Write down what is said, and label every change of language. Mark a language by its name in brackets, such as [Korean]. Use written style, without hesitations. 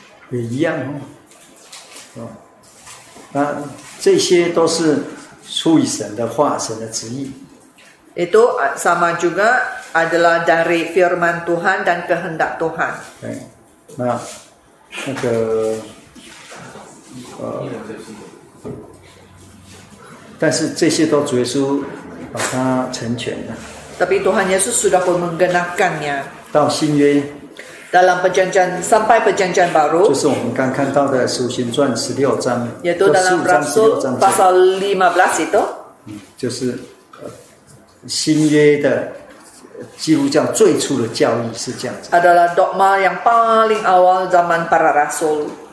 [Chinese] 也一样哦，那这些都是出于神的话，神的旨意。 [Malay] Itu sama juga adalah dari firman Tuhan dan kehendak Tuhan. [Chinese] 对，那那个但是这些都主耶稣把它成全了。 [Malay] Tapi Tuhan Yesus sudah pun menggenapkannya. [Chinese] 到新约。 [Malay] Dalam perjanjian sampai perjanjian baru, [Chinese] 就是我们刚看到的《使徒行传》十六章，也都在《使徒行传》十六章， [Malay] pasal 15 itu， [Chinese] 就是新约的基督教最初的教义是这样子。 [Malay] Adalah dogma yang paling awal zaman para rasul。